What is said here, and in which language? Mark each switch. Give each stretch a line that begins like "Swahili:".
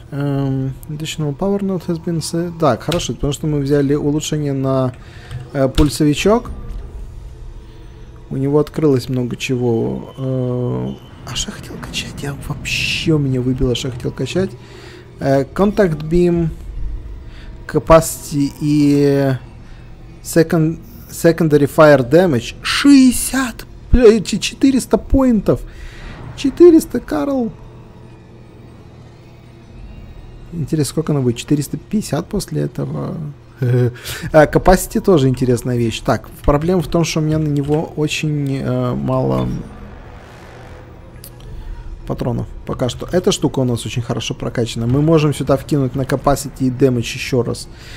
English: Additional power node has been set.
Russian: Так, хорошо. Потому что мы взяли улучшение на пульсовичок. У него открылось много чего. А что я хотел качать? Я вообще меня выбило, что я хотел качать.
English: Contact beam. Capacity и... Secondary Fire Damage 60, 400 поинтов, 400, Карл.
Russian: Интересно, сколько оно будет, 450 после этого. Capacity тоже интересная вещь. Так, проблема в том, что у меня на него очень мало патронов пока что. Эта штука у нас очень хорошо прокачана. Мы можем сюда вкинуть на capacity и damage еще раз.